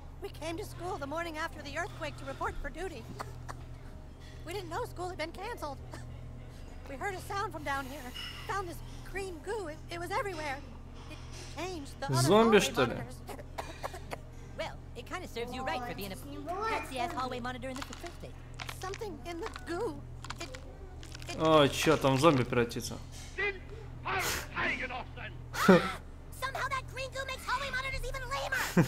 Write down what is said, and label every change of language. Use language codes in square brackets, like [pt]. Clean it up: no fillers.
[en] We came to school the morning after the earthquake to report for duty. We didn't know school had been canceled. We heard a sound from down here. Found this green goo, it was everywhere. [ru] Зомби, что ли? [en] Well, it kind of serves you right for being a patsy-ass hallway monitor in the 50. Something in the goo. [ru] О, чё, там зомби превратится. [en] Somehow that green goo makes hallway monitors even lamer.